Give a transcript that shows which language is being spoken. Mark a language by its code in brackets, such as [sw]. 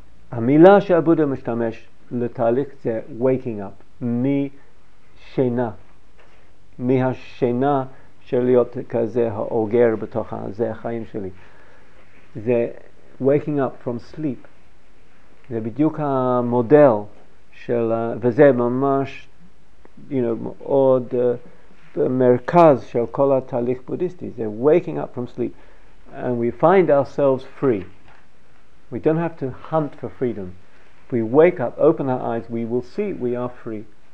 [he] המילה שהבודה משתמש לתהליך זה waking up, משינה. מהשינה של להיות כזה האוגר בתוך זה החיים שלי. [en] זה waking up from sleep. [he] זה בדיוק המודל של, וזה ממש מאוד במרכז של כל התהליך בודיסטי. [en] זה waking up from sleep, and we find ourselves free. We don't have to hunt for freedom. If we wake up, open our eyes, we will see we are free.